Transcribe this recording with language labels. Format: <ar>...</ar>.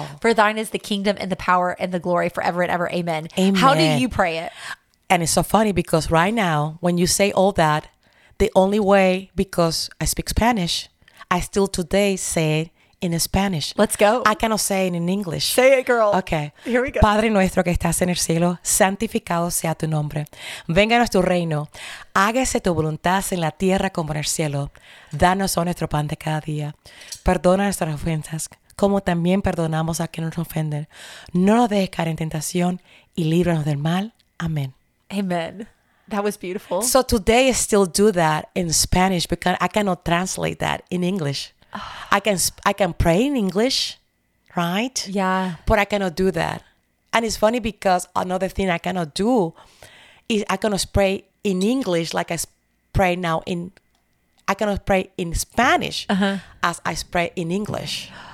<en>For thine is the kingdom and the power and the glory forever and ever. Amen. Amen. How do you pray it? And it's so funny because right now, when you say all that, the only way, because I speak Spanish, I still today say it in Spanish. Let's go. I cannot say it in English. Say it, girl. Okay. Here we go.</en> <es>Padre nuestro que estás en el cielo, santificado sea tu nombre. Vénganos tu reino. Hágase tu voluntad en la tierra como en el cielo. Danos hoy nuestro pan de cada día. Perdona nuestras ofensas, como también perdonamos a quienes nos ofenden. No nos dejes caer en tentación y líbranos del mal. Amén.</es> <en>Amen. That was beautiful. So today I still do that in Spanish because I cannot translate that in English. Oh. I can pray in English, right? Yeah. But I cannot do that. And it's funny because another thing I cannot do is I cannot pray in English like I pray now in, I cannot pray in Spanish as I pray in English.</en>